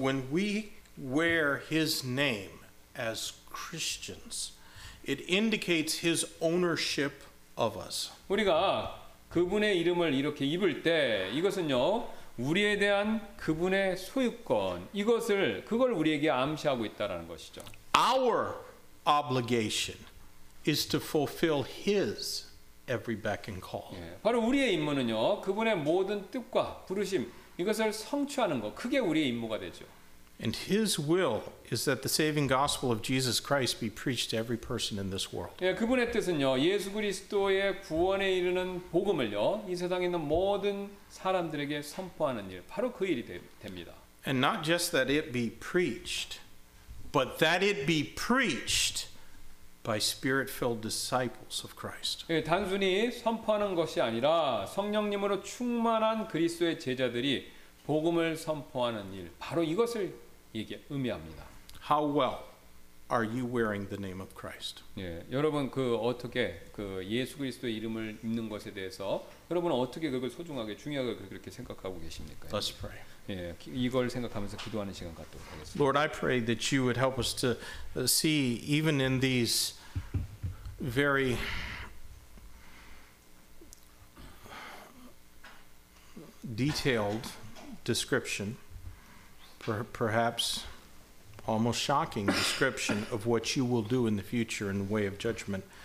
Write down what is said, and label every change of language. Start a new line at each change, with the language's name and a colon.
English: When we wear His name as Christians, it indicates His ownership of us.
Korean: 우리가 그분의 이름을 이렇게 입을 때 이것은요. 우리에 대한 그분의 소유권 이것을 그걸 우리에게 암시하고 있다라는 것이죠.
English: Our obligation is to fulfill His every beck and call.
Korean: 예, 바로 우리의 임무는요, 그분의 모든 뜻과 부르심 이것을 성취하는 것, 그게 우리의 임무가 되죠.
English: And His will is that the saving gospel of Jesus Christ be preached to every person in this world.
Korean: 예, 그분의 뜻은요, 예수 그리스도의 구원에 이르는 복음을요, 이 세상에 있는 모든 사람들에게 선포하는 일, 바로 그 일이 됩니다.
English: And not just that it be preached, but that it be preached by Spirit-filled disciples of Christ.
Korean: 예, 단순히 선포하는 것이 아니라 성령님으로 충만한 그리스도의 제자들이 복음을 선포하는 일, 바로 이것을 의미합니다.
English: How well are you wearing the name of Christ?
Korean: 예, 여러분 그 어떻게 그 예수 그리스도의 이름을 입는 것에 대해서 여러분은 어떻게 그걸 소중하게 중요하게 그렇게 생각하고 계십니까?
English: Let's pray.
Korean: 이걸 생각하면서 기도하는 시간 갖도록 하겠습니다.
English: Lord, I pray that you would help us to see even in these very detailed description, perhaps almost shocking description of what you will do in the future in the way of judgment.